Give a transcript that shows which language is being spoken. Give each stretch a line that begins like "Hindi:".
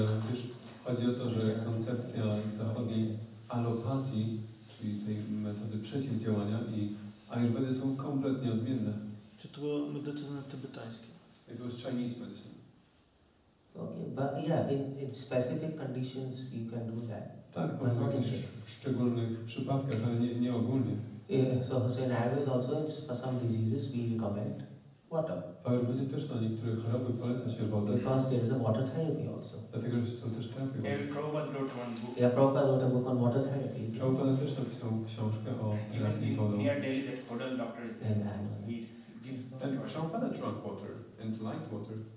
Polish: Też chodzi o to, że koncepcja zachodniej alopatii, czyli tej metody przeciwdziałania i ajurwedy są kompletnie odmienne. Czy to była medycyna tybetańska?
English: It was Chinese medicine. Okay, but yeah, in specific conditions you can do that.
Polish: Tak, w jakichś szczególnych przypadkach, ale nie ogólnie.
English: Yeah, so in Ayurveda also it's for some diseases we recommend water.
Polish: W Ayurvedzie też na niektóre choroby poleca się wodę.
English: Because there is a water therapy also.
Polish: Dlatego, że są też terapie.
English: Yeah, Prabhupada wrote one book. Yeah, Prabhupada wrote a book on water therapy.
Polish: Prabhupada też napisał książkę o terapii wodą.
English: Near Delhi, that hotel doctor is in. And Prabhupada drank water and light water.